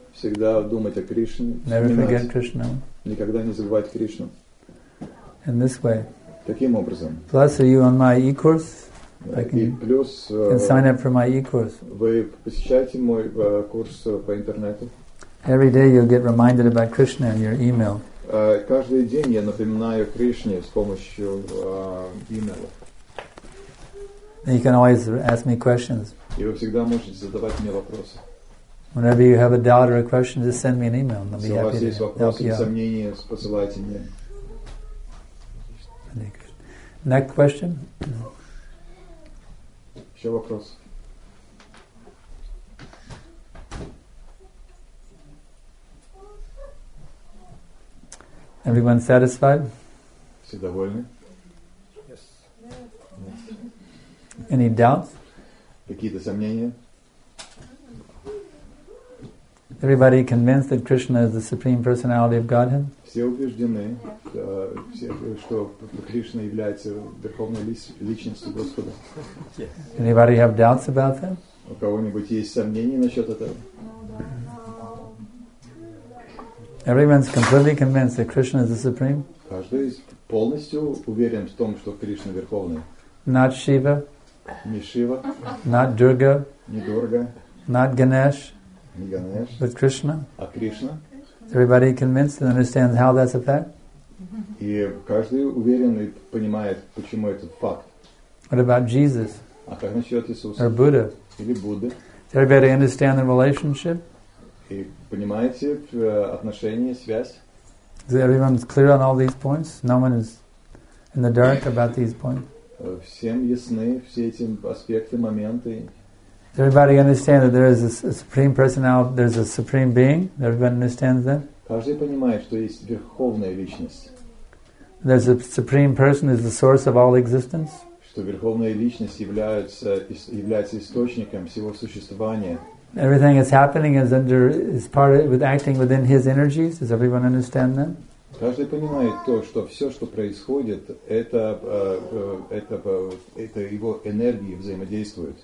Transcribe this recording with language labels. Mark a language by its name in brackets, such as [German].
[Russian] Всегда думать о Кришне. [English] Never forget Krishna. [Russian] Никогда не забывать Кришну. [English] In this way. [Russian] Таким образом. [English] Plus, are you on my e-course? I can sign up for my e-course. [Russian] Вы посещаете мой курс по интернету? [English] Every day you'll get reminded about Krishna in your email. [Russian] Каждый день я напоминаю Кришне с помощью e-mail. [English] You can always ask me questions. [Russian] И вы всегда можете задавать мне вопросы. [English] Whenever you have a doubt or a question, just send me an email and I'll be happy to help you. [Russian] Сомнения, посылайте мне. [English] Next question. [Russian] Еще вопрос. [English] Everyone satisfied? [Russian] Все довольны? [English] Yes. Any doubts? [Russian] Какие-то сомнения? [English] Everybody convinced that Krishna is the Supreme Personality of Godhead? [Russian] Все убеждены, что Кришна является верховной личностью Господа. [English] Anybody have doubts about that? [Russian] У кого-нибудь есть сомнения насчет этого? [English] Everyone's completely convinced that Krishna is the Supreme? [Russian] Каждый полностью уверен в том, что Кришна верховный. [English] Not Shiva? [Russian] Не Шива. [English] Not Durga? [Russian] Не Дурга. [English] Not Ganesh? Ganesh. But Krishna? [Russian] А Кришна? [English] Is everybody convinced and understands how that's a fact? [Russian] И каждый уверен и понимает, почему это факт. [English] What about Jesus? [Russian] А как насчет Иисуса? [English] Or Buddha? [Russian] Или Будды? [English] Does everybody understand the relationship? [Russian] И понимаете отношения, связь? [English] Is everyone clear on all these points? No one is in the dark about these points? [Russian] Всем ясны все эти аспекты, моменты? [English] Does everybody understand that there is a supreme personality, there's a supreme being? Everybody understands that? [Russian] Каждый понимает, что есть верховная личность. [English] There's a supreme person is the source of all existence. [Russian] Что верховная личность является источником всего существования. [English] Everything is happening is under is part of with acting within his energies. Does everyone understand that? [Russian] Каждый понимает то, что все, что происходит, это его энергии взаимодействуют.